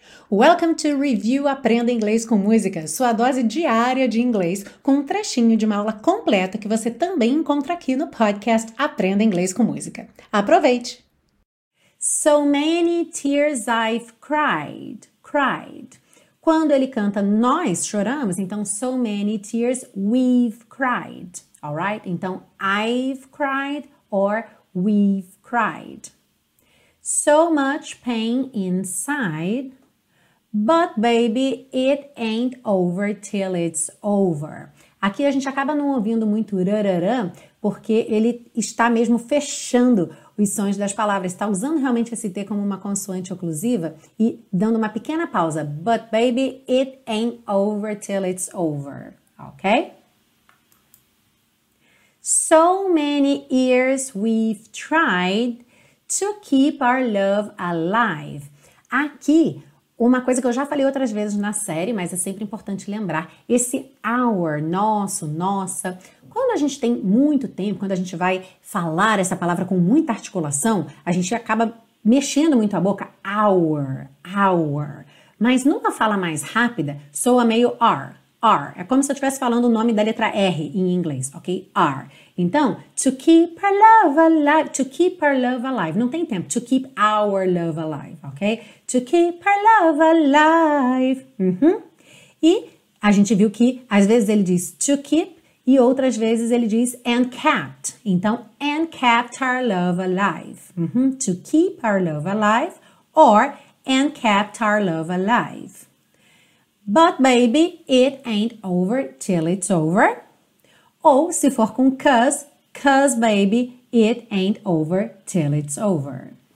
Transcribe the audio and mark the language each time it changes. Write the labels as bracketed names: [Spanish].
[English] Welcome to [Portuguese] Review Aprenda Inglês com Música, sua dose diária de inglês, com um trechinho de uma aula completa que você também encontra aqui no podcast Aprenda Inglês com Música. Aproveite! [English] So many tears I've cried, cried. [Portuguese] Quando ele canta nós choramos, então [English] so many tears we've cried, alright? [Portuguese] Então [English] I've cried or we've cried. So much pain inside, but baby, it ain't over till it's over. [Portuguese] Aqui a gente acaba não ouvindo muito rararã, porque ele está mesmo fechando os sons das palavras, está usando realmente esse T como uma consoante oclusiva e dando uma pequena pausa. [English] But baby, it ain't over till it's over, ok? So many years we've tried to keep our love alive. [Portuguese] Aqui, uma coisa que eu já falei outras vezes na série, mas é sempre importante lembrar, esse our, nosso, nossa, quando a gente tem muito tempo, quando a gente vai falar essa palavra com muita articulação, a gente acaba mexendo muito a boca, our, our. Mas numa fala mais rápida, soa meio r, r. É como se eu estivesse falando o nome da letra R em inglês, ok? R. Então, [English] to keep our love alive, to keep our love alive. [Portuguese] Não tem tempo, [English] to keep our love alive, ok? To keep our love alive. Uhum. [Portuguese] E a gente viu que às vezes ele diz [English] to keep [Portuguese] e outras vezes ele diz [English] and kept. [Portuguese] Então, [English] and kept our love alive. Uhum. To keep our love alive [Portuguese] or [English] and kept our love alive. But baby, it ain't over till it's over. [Portuguese] Ou, se for com [English] cause baby, it ain't over till it's over.